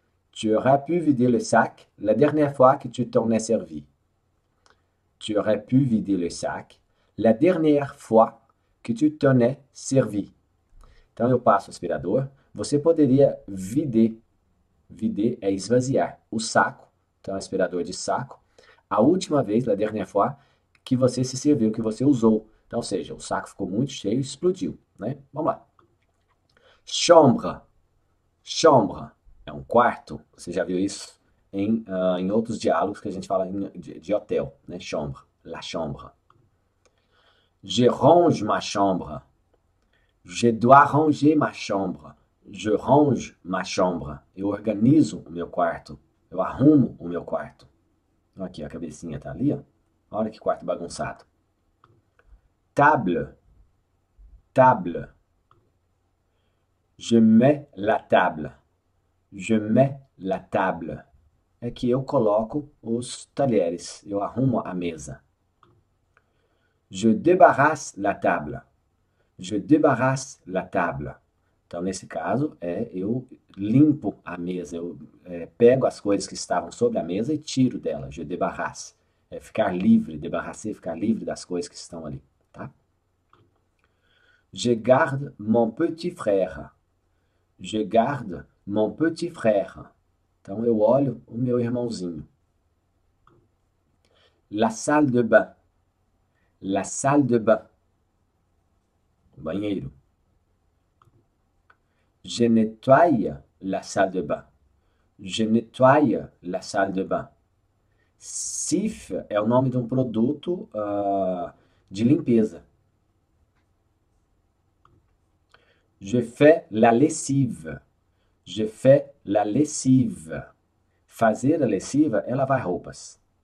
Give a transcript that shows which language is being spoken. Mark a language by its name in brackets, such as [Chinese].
[French] Tu aurais pu vider le sac la dernière fois que tu t'en es servi. Tu aurais pu vider le sac la dernière fois que tu t'en es servi. [Portuguese] Então, eu passo o aspirador. Você poderia vider. Vider é esvaziar o saco. Então, aspirador de saco. A última vez, [French] la dernière fois, [Portuguese] que você se serviu, que você usou. Então, ou seja, o saco ficou muito cheio e explodiu, né? Vamos lá. Chambre. Chambre. É um quarto, você já viu isso em outros diálogos que a gente fala de hotel, né? [French] Chambre, la chambre. Je range ma chambre. Je dois ranger ma chambre. Je range ma chambre. [Portuguese] Eu organizo o meu quarto. Eu arrumo o meu quarto. Aqui, a cabecinha tá ali, ó. Olha que quarto bagunçado. [French] Table. Table. Je mets la table. Je mets la table. [Portuguese] É que eu coloco os talheres. Eu arrumo a mesa. [French] Je débarrasse la table. Je débarrasse la table. [Portuguese] Então, nesse caso, eu limpo a mesa. Eu pego as coisas que estavam sobre a mesa e tiro dela. Je débarrasse. É ficar livre. Débarrasser, ficar livre das coisas que estão ali. Tá? [French] Je garde mon petit frère. Je garde mon petit frère. [Portuguese] Então eu olho o meu irmãozinho. [French] La salle de bain. La salle de bain. Banheiro. Je nettoie la salle de bain. Je nettoie la salle de bain. [Portuguese] Cif é o nome de um produto de limpeza. [French] Je fais la lessive. Je fais la lessive. [Portuguese] Fazer a lessiva é lavar roupas.